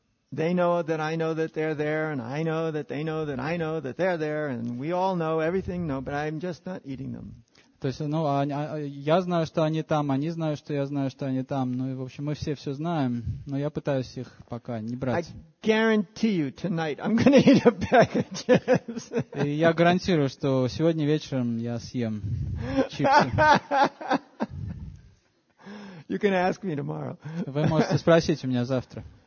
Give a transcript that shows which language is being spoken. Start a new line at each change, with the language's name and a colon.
English: They know that I know that they're there, and I know that they know that I know that they're there, and we all know everything, but I'm just not eating them.
Russian: То есть, я знаю, что они там, они знают, что я знаю, что они там. В общем, мы все знаем, но я пытаюсь их пока не брать.
English: I guarantee you tonight I'm going to eat a bag of chips.
Russian: И я гарантирую, что сегодня вечером я съем чипсы.
English: You can ask me tomorrow.
Russian: Вы можете спросить у меня завтра.